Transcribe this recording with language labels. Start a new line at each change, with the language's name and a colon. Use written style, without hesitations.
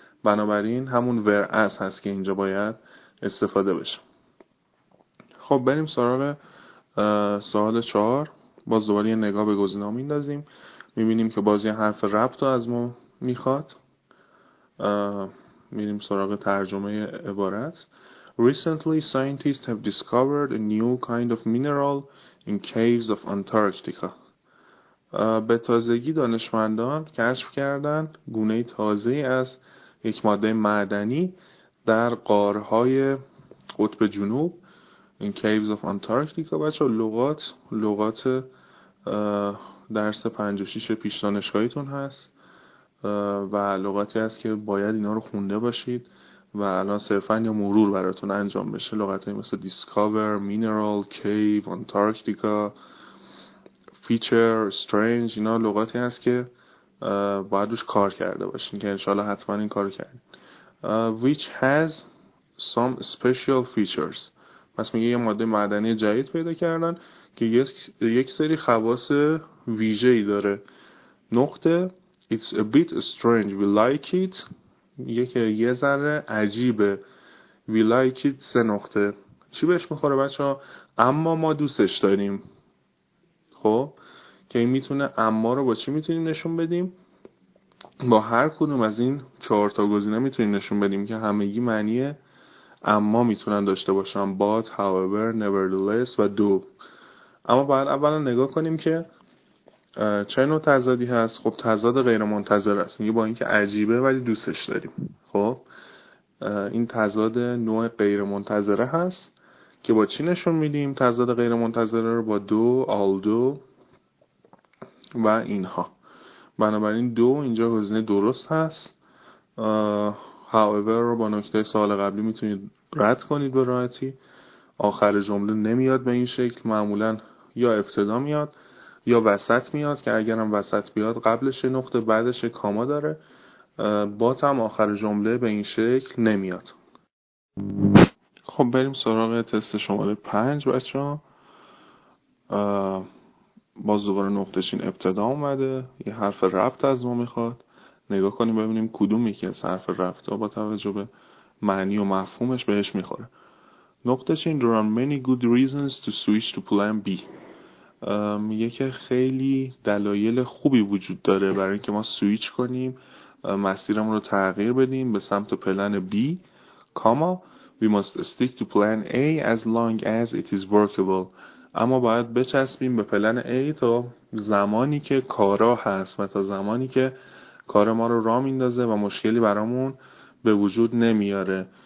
Persian: بنابراین همون whereas هست که اینجا باید استفاده بشه. خب بریم سراغ سوال 4. باز دوباره یه نگاه به گزینه ها میندازیم، میبینیم که باز یه حرف ربط رو از ما میخواد. میریم سراغ ترجمه عبارت.
English: Recently scientists have discovered a new kind of mineral in caves of Antarctica.
Persian: به تازگی دانشمندان کشف کردن گونه تازه از یک ماده معدنی در غارهای قطب جنوب.
English: In caves of Antarctica.
Persian: بچه لغات درس 5 و 6 پیش دانشگاهیتون هست و لغاتی هست که باید اینا رو خونده باشید و الان صرفا یا مرور براتون انجام بشه. لغت هایی مثل discover, mineral, cave, Antarctica, feature, strange، اینا لغاتی هست که باید روش کار کرده باشین که انشالله حتما این کار کردین.
English: Which has some special features.
Persian: پس میگه یه ماده معدنی جدید پیدا کردن که یک سری خواص ویژه‌ای داره. نقطه
English: It's a bit strange. We like it.
Persian: میگه که یه ذره عجیبه.
English: We like it. 3.
Persian: چی بهش میخوره بچه ها؟ اما ما دوستش داریم. خب که این میتونه اما رو با چی میتونیم نشون بدیم؟ با هر کدوم از این 4 تا گزینه میتونیم نشون بدیم که همگی معنیه اما میتونن داشته باشن.
English: but, however, nevertheless و do.
Persian: اما باید اولا نگاه کنیم که چه نوع تضادی هست. خب تضاد غیر منتظر است، میگه با اینکه عجیبه ولی دوستش داریم. خب این تضاد نوع غیر منتظره هست که با چی نشون میدیم تضاد غیر منتظره رو؟ با do, although و اینها. بنابراین do اینجا گزینه درست هست. However رو با نکته سوال قبلی میتونید رد کنید به راحتی. آخر جمله نمیاد به این شکل، معمولا یا ابتدا میاد یا وسط میاد، که اگرم وسط بیاد قبلش نقطه بعدش کاما داره، باتم آخر جمله به این شکل نمیاد. خب بریم سراغ تست شماره 5 بچه ها. باز دوباره نقطه چین ابتدا اومده، یه حرف ربط از ما میخواد. نگاه کنیم ببینیم کدوم یکی از حرف ربط ها با توجه به معنی و مفهومش بهش میخوره. نقطه چین:
English: there are many good reasons to switch to plan B.
Persian: میگه که خیلی دلایل خوبی وجود داره برای اینکه ما سویچ کنیم، مسیرمون رو تغییر بدیم به سمت پلن B، کاما
English: we must stick to plan A as long as it is workable.
Persian: اما باید بچسبیم به پلن A تا زمانی که کارا هست و تا زمانی که کار ما رو راه میندازه و مشکلی برامون به وجود نمیاره.